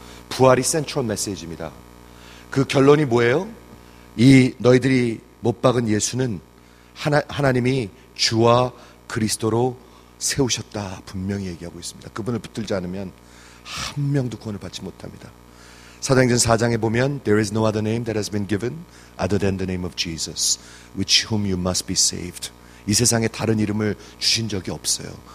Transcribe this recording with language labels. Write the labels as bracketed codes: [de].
[ko] 부활이 센트럴 메시지입니다. 그 결론이 뭐예요? 이 너희들이 못 박은 예수는 하나님이 주와 그리스도로 세우셨다. 분명히 얘기하고 있습니다. 그분을 붙들지 않으면 한 명도 구원을 받지 못합니다. 사도행전 4장에 보면 [en] There is no other name that has been given other than the name of Jesus, which whom you must be saved. [ko] 이 세상에 다른 이름을 주신 적이 없어요.